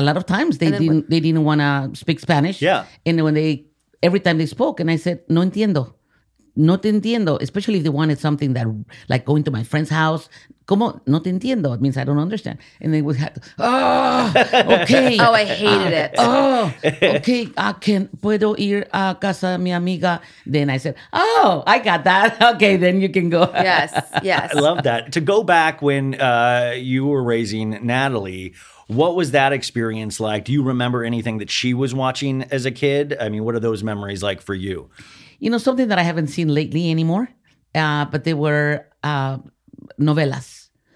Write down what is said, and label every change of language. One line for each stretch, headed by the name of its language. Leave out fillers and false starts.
English: A lot of times they didn't want to speak Spanish. Yeah. And when every time they spoke, and I said,
Spanish: no entiendo. No te entiendo,
English: especially if they wanted something that, like going to my friend's house.
Spanish: Como, no te entiendo.
English: It means I don't understand. And they would have to, okay. Oh, I hated it. Oh, okay.
Spanish: Puedo ir a casa de mi amiga?
English: Then I said, oh, I got that. Okay, then you can go. Yes. I love that. To go back when you were raising Natalie, what was that experience like? Do you remember anything that she was watching as a kid? I mean, what are those memories like for you? You know, something that I haven't seen lately anymore, but they were novelas.